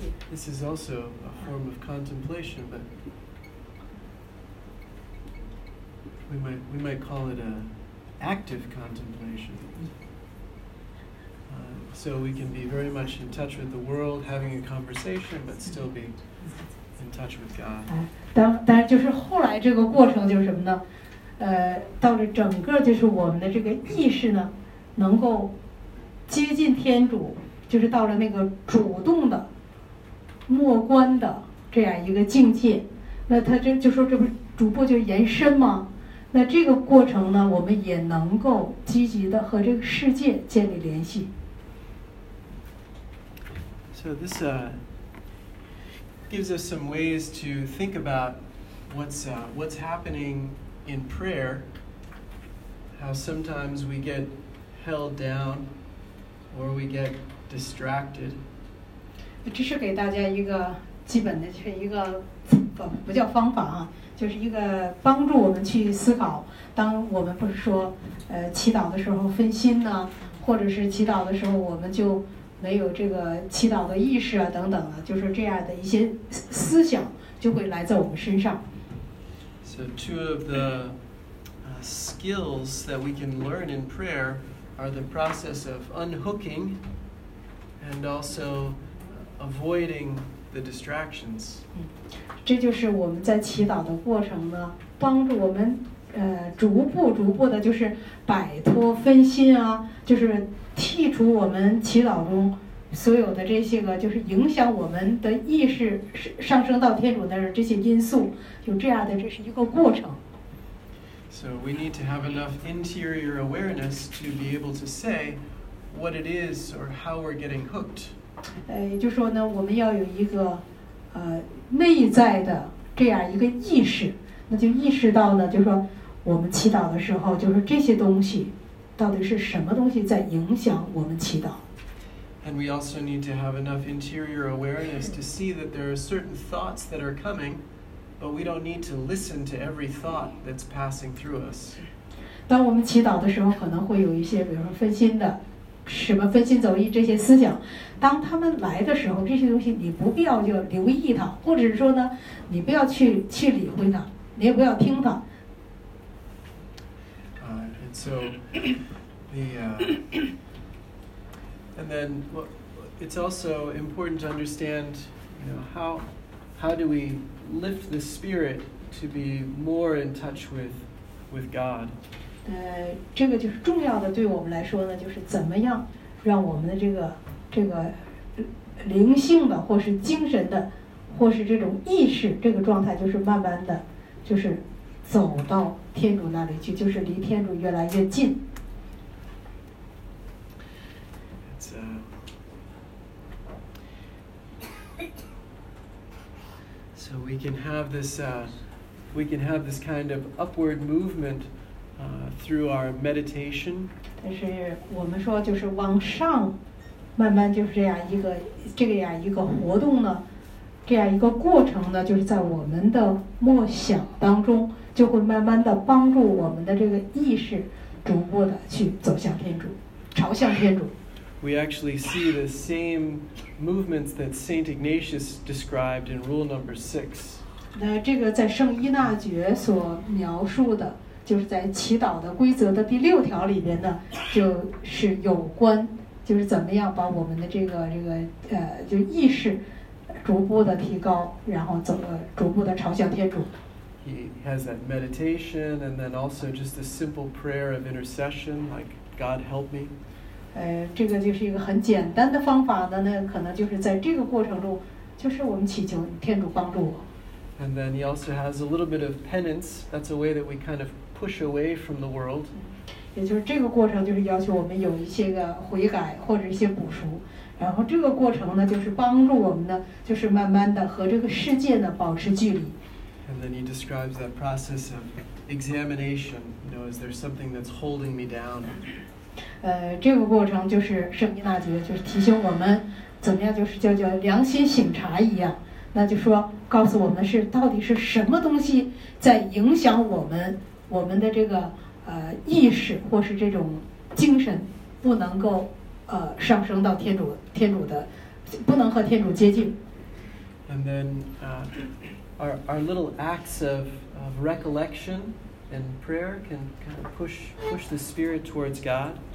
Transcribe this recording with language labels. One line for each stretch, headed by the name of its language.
English: This is also a form of contemplation, but we might call it an active contemplation. So we can be very much in touch with the world, having a conversation, but still be in touch with God.
Chinese: 但就是后来这个过程就是什么呢？到了整个就是我们的这个意识呢，能够接近天主，就是到了那个主动的、默观的这样一个境界。那他这就说这不逐步就延伸吗？那这个过程呢，我们也能够积极的和这个世界建立联系。
English: So this gives us some ways to think about what's happening in prayer, how sometimes we get held down or we get distracted.
Chinese: 这是给大家一个基本的，就是一个不叫方法啊，就是一个帮助我们去思考，当我们不是说祈祷的时候分心呢，或者是祈祷的时候我们就没有这个祈祷的意识啊，等等啊，就是这样的一些思想就会来在我们身上。
English: So two of the skills that we can learn in prayer are the process of unhooking and also avoiding the distractions.
Chinese: 这就是我们在祈祷的过程呢，帮助我们逐步的，就是摆脱分心啊，就是剔除我们祈祷中所有的这些个，就是影响我们的意识上升到天主那儿这些因素，就这样的，这是一个过程。
English: So we need to have enough interior awareness to be able to say what it is or how we're getting hooked.
Chinese: 也就是说呢，我们要有一个内在的这样一个意识，那就意识到呢，就是说我们祈祷的时候，就是这些东西到底是什么东西在影响我们祈祷。
English: And we also need to have enough interior awareness to see that there are certain thoughts that are coming, but we don't need to listen to every thought that's passing through us.
Chinese: 当我们祈祷的时候，可能会有一些，比如说分心的，什么分心走意这些思想，当他们来的时候，这些东西你不必要就留意它，或者是说呢，你不要去理会它，你也不要听它。
English: So it's also important to understand, you know, how do we lift the spirit to be more in touch with God?
Chinese: 这个就是重要的，对我们来说呢，就是怎么样让我们的这个灵性的，或是精神的，或是这种意识这个状态，就是慢慢的，就是走到天主那里去，就是离天主越来越近。
English: So we can have this, we can have this kind of upward movement through our meditation.
Chinese: 但是我们说就是往上，慢慢就是这样一个这个样一个活动呢，这样一个过程呢，就是在我们的默想当中，就会慢慢的帮助我们的这个意识逐步的去走向天主，朝向天主。
English: We actually see the same movements that Saint Ignatius described in Rule Number 6.
Chinese: 那这个在圣依纳爵所描述的，就是在祈祷的规则的第六条里边呢，就是有关，就是怎么样把我们的这个就意识逐步的提高，然后怎么逐步的朝向天主。
English: He has that meditation, and then also just a simple prayer of intercession, like God help me.
Chinese: 这个就是一个很简单的方法的呢，可能就是在这个过程中，就是我们祈求天主帮助我。
English: And then he also has a little bit of penance. That's a way that we kind of push away from the world.
Chinese: 也就是这个过程就是要求我们有一些个悔改或者一些补赎，然后这个过程呢，就是帮助我们呢，就是慢慢的和这个世界呢保持距离。
English: And then he describes that process of examination. You know, is there something that's holding me down?
Chinese: 这个过程就是圣依纳爵就是提醒我们怎么样，就是叫良心省察一样，那就说告诉我们是到底是什么东西在影响我们的这个意识或是这种精神不能够上升到天主的，不能和天主接近。
English: And then our little acts of recollection and prayer can kind of push the spirit towards God.